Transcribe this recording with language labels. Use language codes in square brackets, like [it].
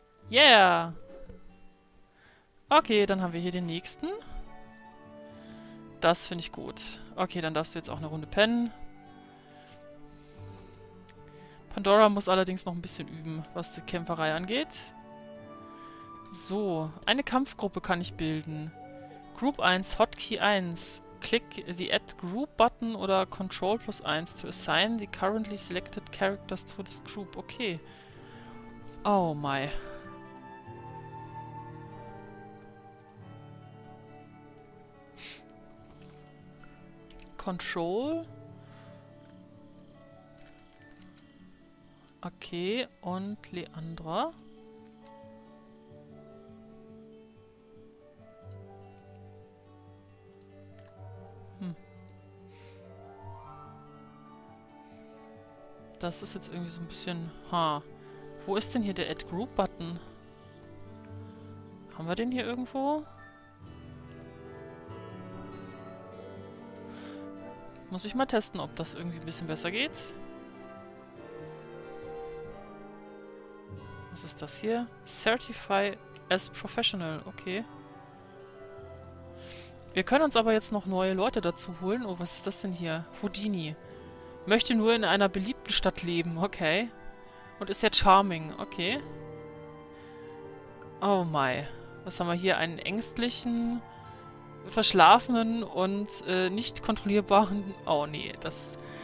[de] Yeah! Okay, dann haben wir hier den nächsten. Das finde ich gut. Okay, dann darfst du jetzt auch eine Runde pennen. Pandora muss allerdings noch ein bisschen üben, was die Kämpferei angeht. So, eine Kampfgruppe kann ich bilden. [en] Group 1, Hotkey 1. Click the Add Group Button [de] oder [en] Control plus 1 to assign the currently selected characters to this group. Okay. Oh my. Control. [de] Okay, und Leandra. Das ist jetzt irgendwie so ein bisschen... Ha. Wo ist denn hier der Add Group Button? Haben wir den hier irgendwo? Muss ich mal testen, ob das irgendwie ein bisschen besser geht. Was ist das hier? [en] Certify as Professional. Okay. [de] Wir können uns aber jetzt noch neue Leute dazu holen. Oh, was ist das denn hier? Houdini. Möchte nur in einer beliebten Stadt leben. Okay. Und ist ja charming. Okay. [en] Oh my. [de] Was haben wir hier? Einen ängstlichen, verschlafenen und nicht kontrollierbaren... Oh nee, das...